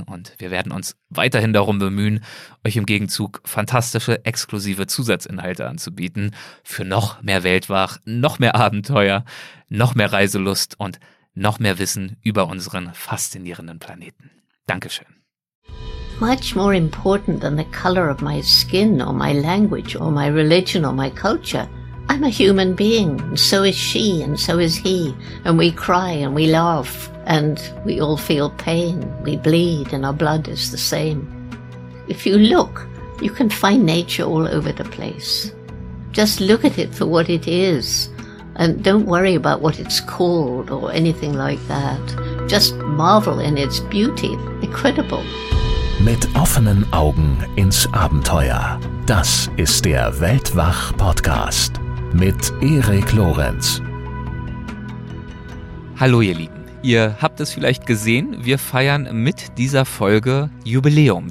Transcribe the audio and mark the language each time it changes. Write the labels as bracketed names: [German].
[German] Und wir werden uns weiterhin darum bemühen, euch im Gegenzug fantastische, exklusive Zusatzinhalte anzubieten. Für noch mehr Weltwach, noch mehr Abenteuer, noch mehr Reiselust und noch mehr Wissen über unseren faszinierenden Planeten. Dankeschön. [English] Much more important than the color of my skin or my language or my religion or my culture. I'm a human being, and so is she and so is he. And we cry and we laugh and we all feel pain. We bleed and our blood is the same. If you look, you can find nature all over the place. Just look at it for what it is. And don't worry about what it's called or anything like that. Just marvel in its beauty. Incredible. [German] Mit offenen Augen ins Abenteuer. Das ist der Weltwach-Podcast mit Erik Lorenz. Hallo ihr Lieben. Ihr habt es vielleicht gesehen, wir feiern mit dieser Folge Jubiläum.